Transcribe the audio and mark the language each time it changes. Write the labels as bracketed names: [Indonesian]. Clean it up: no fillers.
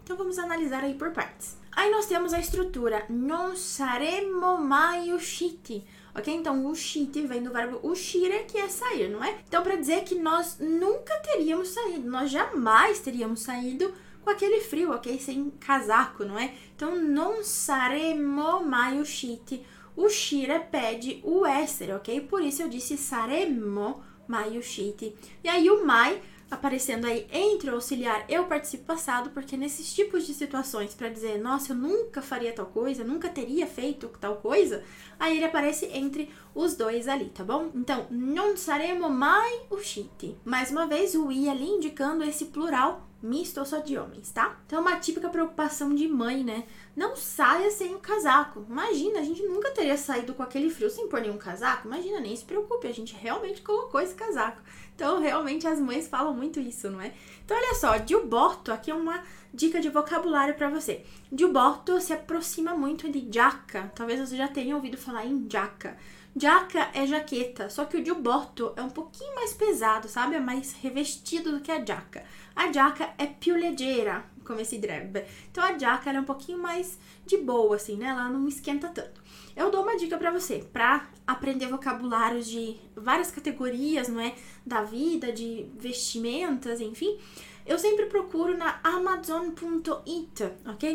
[Portuguese] Então, vamos analisar aí por partes. Aí, nós temos a estrutura: [Italian] Non saremmo mai usciti. [Portuguese] Ok? Então, usciti vem do verbo uscire, que é sair, não é? Então, para dizer que nós nunca teríamos saído, nós jamais teríamos saído com aquele frio, ok? Sem casaco, não é? Então, [Italian] non saremmo mai usciti. [Portuguese] Uscire pede o essere, ok? Por isso eu disse [Italian] saremmo mai usciti. [Portuguese] E aí, o mai aparecendo aí entre o auxiliar e o participo passado, porque nesses tipos de situações, para dizer, nossa, eu nunca faria tal coisa, nunca teria feito tal coisa, aí ele aparece entre os dois ali, tá bom? Então, [Italian] non saremmo mai usciti. [Portuguese] Mais uma vez, o i ali indicando esse plural misto ou só de homens, tá? Então, uma típica preocupação de mãe, né? Não saia sem o casaco. Imagina, a gente nunca teria saído com aquele frio sem pôr nenhum casaco. Imagina, nem se preocupe, a gente realmente colocou esse casaco. Então, realmente, as mães falam muito isso, não é? Então, olha só, giubbotto, aqui é uma dica de vocabulário para você. Giubbotto se aproxima muito de giacca. Talvez você já tenha ouvido falar em giacca. Giacca é jaqueta, só que o giubbotto é um pouquinho mais pesado, sabe? É mais revestido do que a giacca. [Italian] A giacca è più leggera, come si direbbe. [Portuguese] Então a giacca é um pouquinho mais de boa, assim, né? Ela não esquenta tanto. Eu dou uma dica para você, para aprender vocabulário de várias categorias, não é? Da vida, de vestimentas, enfim. Eu sempre procuro na Amazon.it, ok?